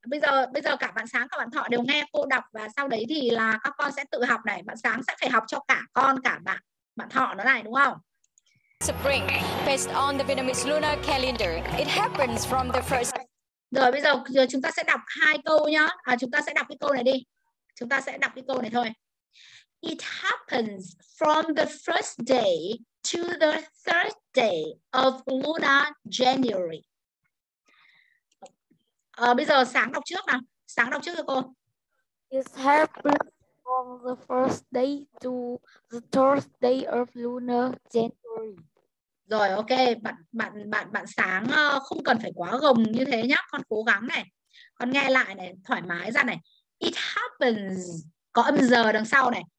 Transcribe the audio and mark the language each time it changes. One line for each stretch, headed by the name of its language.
Vietnamese: Bây giờ cả bạn Sáng cả bạn Thọ đều nghe cô đọc và sau đấy thì là các con sẽ tự học này. Bạn Sáng sẽ phải học cho cả con cả bạn Thọ nó này đúng không?
English: Spring based on the Vietnamese lunar calendar. It happens from the first.
Vietnamese: Rồi bây giờ chúng ta sẽ đọc hai câu nhá. Chúng ta sẽ đọc cái câu này đi. Chúng ta sẽ đọc cái câu này thôi.
English: It happens from the first day to the third day of lunar January.
Vietnamese: Bây giờ Sáng đọc trước nào. Sáng đọc trước cho cô.
English: It happens from the first day to the third day of lunar January.
Vietnamese: Rồi ok, bạn Sáng không cần phải quá gồng như thế nhá, con cố gắng này. Con nghe lại này, thoải mái ra này.
English: It happens
Vietnamese: có âm giờ đằng sau này.